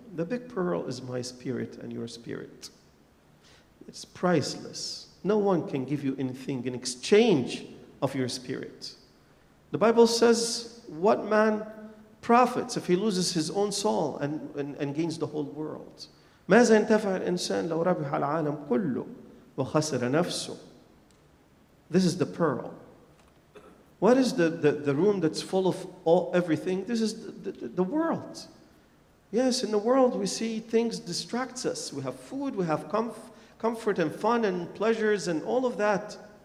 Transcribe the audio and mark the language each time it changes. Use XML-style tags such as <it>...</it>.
<en>The big pearl is my spirit and your spirit. It's priceless. No one can give you anything in exchange of your spirit. The Bible says, what man profits if he loses his own soul and gains the whole world?</en> <ar>ماذا ينتفع الإنسان لو ربح العالم كله وخسر نفسه?</ar> <en>This is the pearl. What is the room that's full of all everything? This is the world. Yes, in the world we see things distract us. We have food, we have comfort and fun and pleasures and all of that.</en>